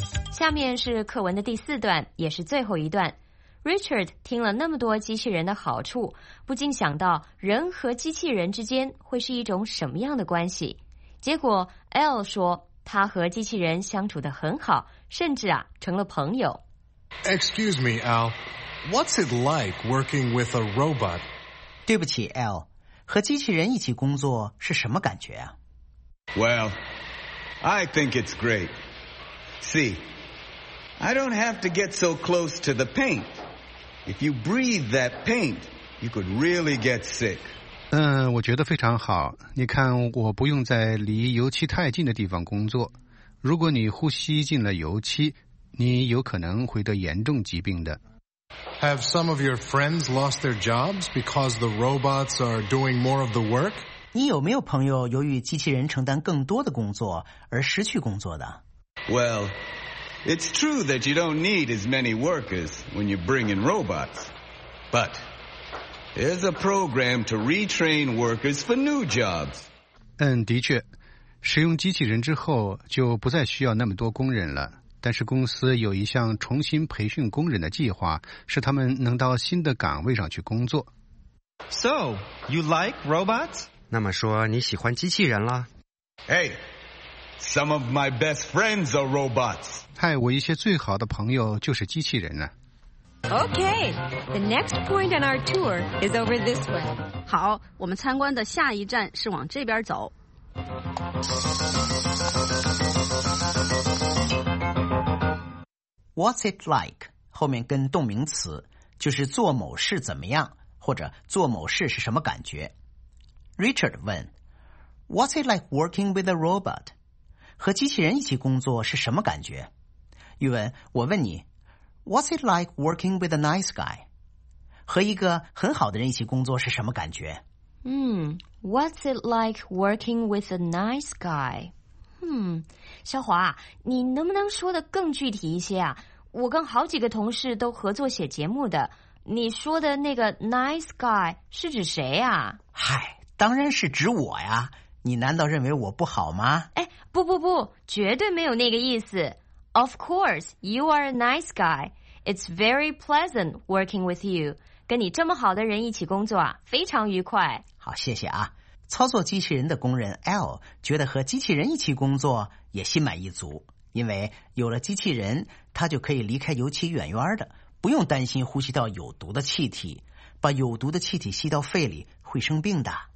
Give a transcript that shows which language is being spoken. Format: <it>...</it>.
<zh>下面是课文的第四段，也是最后一段。Richard 听了那么多机器人的好处，不禁想到人和机器人之间会是一种什么样的关系。结果 L 说他和机器人相处得很好，甚至啊成了朋友。</zh> <en>Excuse me, Al. What's it like working with a robot?</en> <zh>对不起 L, 和机器人一起工作是什么感觉啊？</zh> <en>Well, I think it's great. See, I don't have to get so close to the paint. If you breathe that paint, you could really get sick.</en> <zh>我觉得非常好。你看，我不用在离油漆太近的地方工作。如果你呼吸进了油漆，你有可能会得严重疾病的。</zh> <en>Have some of your friends lost their jobs because the robots are doing more of the work?</en> <zh>你有没有朋友由于机器人承担更多的工作而失去工作的？</zh> <en>Well... It's true that you don't need as many workers when you bring in robots. But there's a program to retrain workers for new jobs.</en> <zh>的确，使用机器人之后就不再需要那么多工人了。但是公司有一项重新培训工人的计划，使他们能到新的岗位上去工作。</zh> <en>So, you like robots?</en> <zh>那么说你喜欢机器人了？</zh> <en>Hey! Some of my best friends are robots.</en> <zh>嗨，我一些最好的朋友就是机器人呢。</zh> <en>Okay, the next point on our tour is over this way.</en> <zh>好，我们参观的下一站是往这边走。</zh> <en>What's it like?</en> <zh>后面跟动名词，就是做某事怎么样，或者做某事是什么感觉。 Richard 问 ,</zh> <en>What's it like working with a robot?</en> <zh>和机器人一起工作是什么感觉？宇文，我问你 ,</zh> <en>What's it like working with a nice guy?</en> <zh>和一个很好的人一起工作是什么感觉？</zh> <en>What's it like working with a nice guy?</en> <zh>小华，你能不能说得更具体一些啊？我跟好几个同事都合作写节目的，你说的那个 nice guy 是指谁啊？嗨，当然是指我呀，你难道认为我不好吗？不不不，绝对没有那个意思。</zh> <en>Of course, you are a nice guy. It's very pleasant working with you.</en> <zh>跟你这么好的人一起工作啊，非常愉快。好，谢谢啊。操作机器人的工人 L 觉得和机器人一起工作也心满意足，因为有了机器人，他就可以离开油漆远远的，不用担心呼吸到有毒的气体，把有毒的气体吸到肺里会生病的。</zh>